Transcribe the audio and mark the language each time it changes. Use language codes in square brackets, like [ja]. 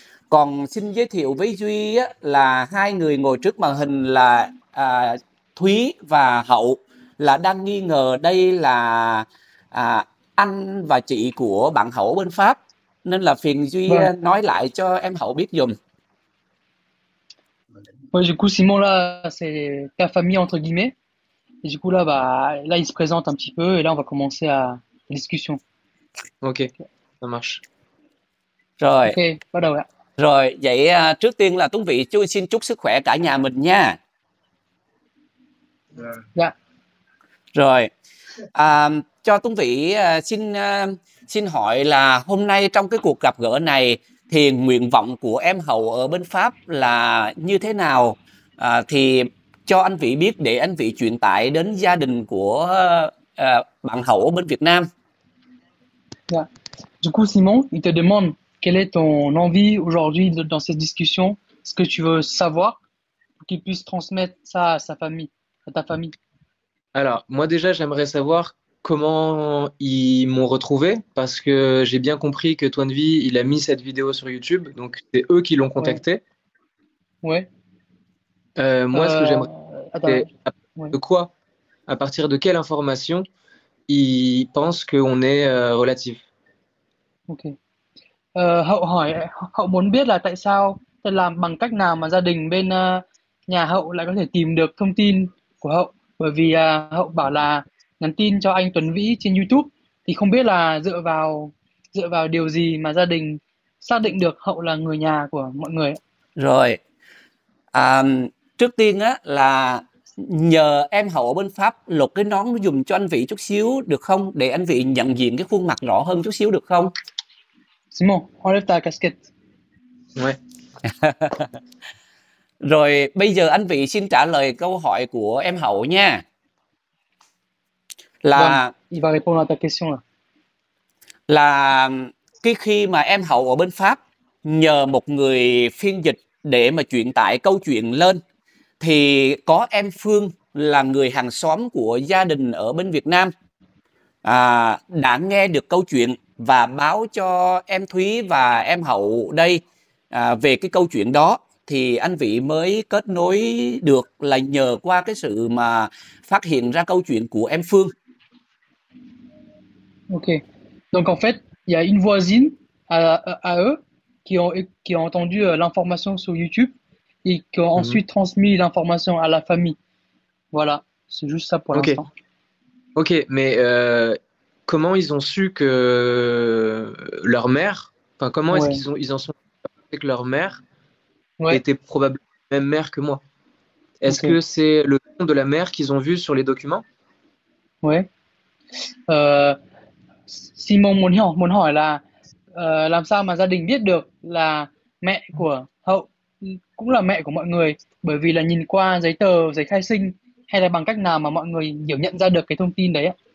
[vi] Còn xin giới thiệu với Duy á, là hai người ngồi trước màn hình là Thúy và Hậu là đang nghi ngờ đây là anh và chị của bạn Hậu bên Pháp. Nên là phiền Duy nói lại cho em Hậu biết dùm. [fr] Ouais, du coup, Simon, là, c'est ta famille, entre guillemets. Et du coup, là, bah, là, il se présente un petit peu et là, on va commencer à la discussion. Ok, ça marche. [vi] Rồi. Ok, bắt đầu. Rồi, vậy trước tiên là Tuấn Vĩ, chú xin chúc sức khỏe cả nhà mình nha. Dạ. Yeah. Rồi, cho Tuấn Vĩ xin hỏi là hôm nay trong cái cuộc gặp gỡ này thì nguyện vọng của em Hậu ở bên Pháp là như thế nào? Thì cho anh Vĩ biết để anh Vĩ truyền tải đến gia đình của bạn Hậu ở bên Việt Nam. [en] Yeah. [fr] Du coup, Simon, il te demande quelle est ton envie aujourd'hui dans cette discussion, ce que tu veux savoir, pour qu'il puisse transmettre ça à sa famille, à ta famille. Alors, moi déjà, j'aimerais savoir comment ils m'ont retrouvé, parce que j'ai bien compris que Toine Vie, il a mis cette vidéo sur YouTube, donc c'est eux qui l'ont contacté. Ouais. Ouais. Moi, ce que j'aimerais, c'est de quoi, à partir de quelle information, ils pensent qu'on est relatif. Ok. [vi] Hậu muốn biết là tại sao, tại làm bằng cách nào mà gia đình bên nhà Hậu lại có thể tìm được thông tin của Hậu, bởi vì Hậu bảo là nhắn tin cho anh Tuấn Vĩ trên YouTube, thì không biết là dựa vào điều gì mà gia đình xác định được Hậu là người nhà của mọi người ạ? Rồi, trước tiên á là nhờ em Hậu ở bên Pháp lột cái nón nó dùng cho anh Vĩ chút xíu được không? Để anh Vĩ nhận diện cái khuôn mặt rõ hơn chút xíu được không? [fr] Simon, enlève ta casquette. Ouais. [vi] Rồi, bây giờ anh Vĩ xin trả lời câu hỏi của em Hậu nha. [fr] Vâng, il va répondre à ta question là. [vi] Cái khi mà em Hậu ở bên Pháp nhờ một người phiên dịch để mà truyền tải câu chuyện lên, thì có em Phương là người hàng xóm của gia đình ở bên Việt Nam đã nghe được câu chuyện và báo cho em Thúy và em Hậu đây về cái câu chuyện đó, thì anh Vĩ mới kết nối được là nhờ qua cái sự mà phát hiện ra câu chuyện của em Phương. [fr] Ok, donc en fait, il y a une voisine à eux qui ont entendu l'information sur YouTube et qui ont ensuite transmis l'information à la famille. Voilà, c'est juste ça pour l'instant. Ok, mais comment ils ont su que leur mère, enfin comment est-ce Ouais. ils en sont que leur mère Ouais. était probablement la même mère que moi? Est-ce Ok. que c'est le nom de la mère qu'ils ont vu sur les documents? Ouais. [vi] Simon muốn hỏi là làm sao mà gia đình biết được là mẹ của Hậu cũng là mẹ của mọi người, bởi vì là nhìn qua giấy tờ, giấy khai sinh hay là bằng cách nào mà mọi người hiểu nhận ra được cái thông tin đấy ạ?